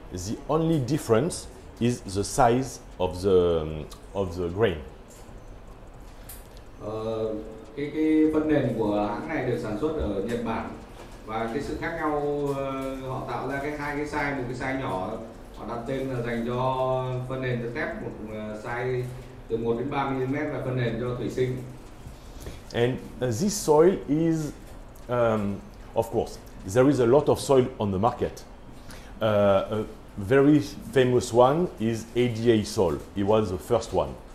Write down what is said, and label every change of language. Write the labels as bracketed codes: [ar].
[en] The only difference is the size of the grain. [vi] Cái phân nền của hãng này được sản xuất ở Nhật Bản, và cái sự khác nhau họ tạo ra hai cái size, một cái size nhỏ họ đặt tên là dành cho phân nền cho thép, một size từ 1 đến 3 mm là phân nền cho thủy sinh. [en] And this soil is, of course, there is a lot of soil on the market. A very famous one is ADA soil. It was the first one.